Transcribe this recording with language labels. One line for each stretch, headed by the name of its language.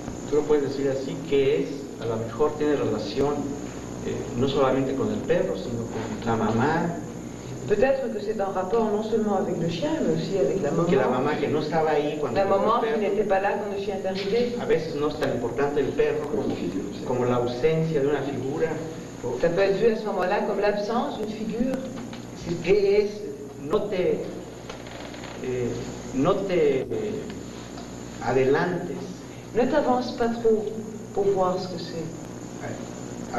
Spanish: Tú lo puedes decir así, que es, a lo mejor tiene relación no solamente con el perro, sino con la mamá.
French: Peut-être que c'est en rapport non seulement avec le chien, mais aussi avec la maman.
Spanish: Que la mamá que no estaba ahí cuando la mamá que
French: n'était pas là quand le chien est arrivé.
Spanish: A veces no es tan importante el perro como la ausencia de una figura.
French: Ça peut être vu à ce moment-là comme l'absence d'une figure.
Spanish: ¿Qué es? No te no te adelantes.
French: Ne t'avance pas trop pour voir ce que c'est.